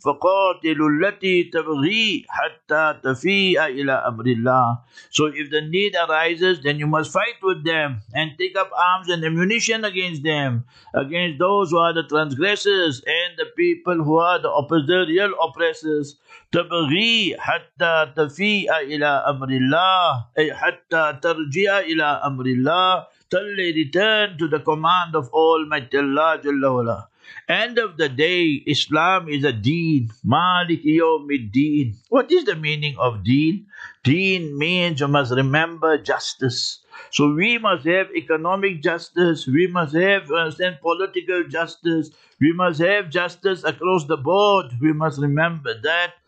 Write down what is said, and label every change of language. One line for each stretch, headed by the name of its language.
Arabic: فَقَاتِلُوا الَّتِي تَبْغِي حَتَّى تَفِيَ إِلَىٰ أَمْرِ اللَّهِ.
English: So if the need arises, then you must fight with them and take up arms and ammunition against them, against those who are the transgressors and the people who are the opposite, real oppressors.
Arabic: تَبْغِي حَتَّى تَفِيَ إِلَىٰ أَمْرِ اللَّهِ أي حَتَّى تَرْجِيَ إِلَىٰ أَمْرِ اللَّهِ
English: till they return to the command of Almighty Allah Jalla Wala. End of the day, Islam is a deen. Maliki yawmiddin. What is the meaning of deen? Deen means you must remember justice. So we must have economic justice. We must have political justice. We must have justice across the board. We must remember that.